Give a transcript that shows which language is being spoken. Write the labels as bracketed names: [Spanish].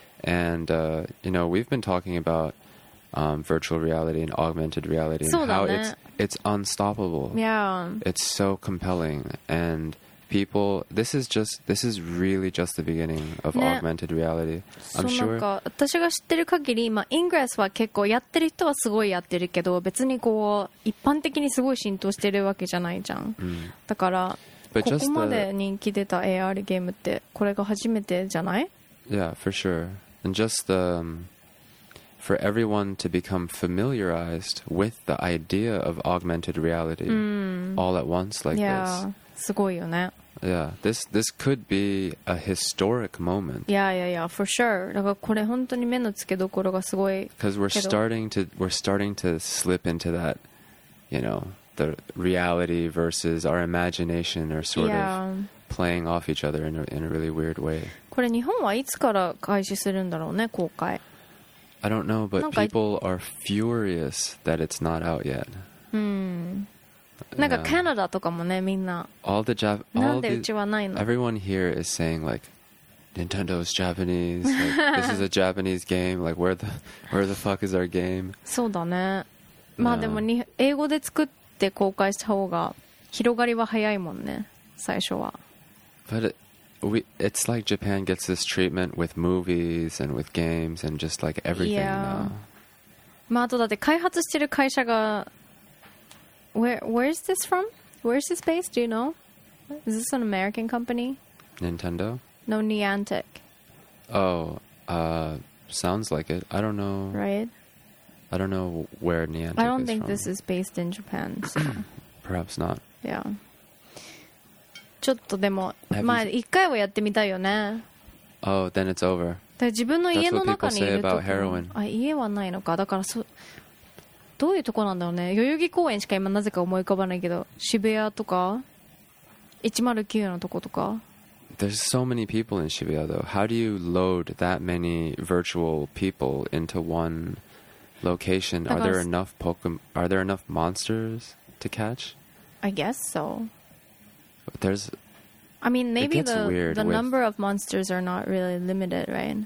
[English] And you know, we've been talking about virtual reality and augmented reality and how it's unstoppable. Yeah. It's so compelling and. People, this is really just the beginning of、ね、augmented reality. I'm sure. [Japanese] なんか私が知ってる限り、まあ、Ingress は結構やってる人はすごいやってるけど、別にこう一般的にすごい浸透してるわけじゃないじゃん。 Mm. だから、But、ここまで人気出た AR ゲームってこれが初めてじゃない [English] ？Yeah, for sure. And just the, for everyone to become familiarized with the idea of augmented reality、 mm. all at once like、 yeah. this. [Japanese] すごいよね。 [English] Yeah, this could be a historic moment. Yeah, yeah, yeah, for sure. [Japanese] だからこれ本当に目の付けどころがすごい。 [English] Because we're starting to slip into that, you know, the reality versus our imagination are sort、 yeah. of playing off each other in a really weird way. [Japanese] これ日本はいつから開始するんだろうね、公開。 [English] I don't know, but people are furious that it's not out yet. [Japanese] なんかカナダとかもね、みんな。 [English] All the Jap- [Japanese] なんでうちはないの? [English] Everyone here is saying like, Nintendo's Japanese. Like, this is a Japanese game. Like, where the fuck is our game? [Japanese] そうだね。まあでも英語で作って公開した方が広がりは早いもんね、最初は。 [English] But it's like Japan gets this treatment with movies and with games and just like everything、 yeah. now. [Japanese] まああとだって開発してる会社が。 [English] Where is this from? Where is this based? Do you know? Is this an American company? Nintendo? No, Niantic. Oh, sounds like it. I don't know. Right? I don't know where Niantic is from. I don't think this is based in Japan. So. Perhaps not. Yeah. [Japanese] ちょっとでも、まあ一回はやってみたいよね。 [English] Oh, then it's over. [Japanese] だから自分の家の中にいると [English] 。That's what people say about heroin. [Japanese] あ、家はないのか。だからそ。どういうとこなんだろうね。代々木公園しか今なぜか思い浮かばないけど、渋谷とか109のとことか。 [English] There's so many people in Shibuya though. How do you load that many virtual people into one location? Are there enough are there enough monsters to catch? I guess so. There's I mean maybe the number of monsters are not really limited, right?